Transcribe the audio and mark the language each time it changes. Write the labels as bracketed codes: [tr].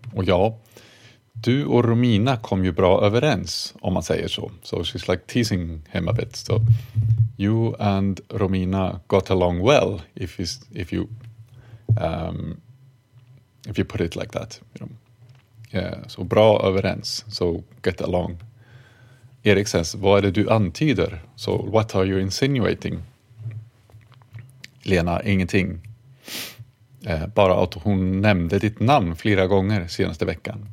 [sv] Och ja, du och Romina kom ju bra överens, om man säger så. [en] So, she's like teasing him a bit, so... You and Romina got along well, if you put it like that. You know. Yeah, [sv] så bra överens. [en] So get along. Erik says, [sv] vad är det du antyder? [en] So what are you insinuating? Lena, [sv] ingenting. Bara att hon nämnde ditt namn flera gånger senaste veckan.